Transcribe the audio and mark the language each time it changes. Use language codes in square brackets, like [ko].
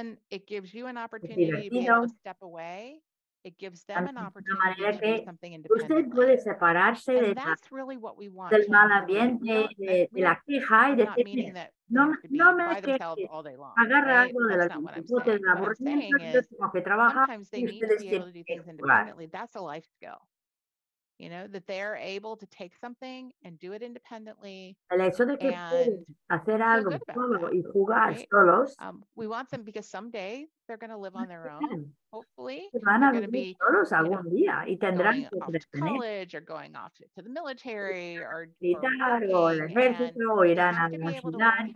[en] It gives you an opportunity to be able to step away. It gives them an opportunity to do something independent. [es] Usted puede separarse [en] and that's really what we want. [es] Del mal ambiente, de la queja y de decir, no me queje, agarra algo de la disputa, de la aburrimiento, yo tengo que trabajar y ustedes tienen que trabajar. [en] That's a life skill. You know, that they're able to take something and do it independently. [es] El hecho de que pueden hacer algo solo y jugar solos. [en] We want them because someday they're going to live on their own. Hopefully, [es] van a vivir solos algún día y tendrán que crecer. [en] College or going off to the military or [es] militar o el ejército o irán a la ciudad.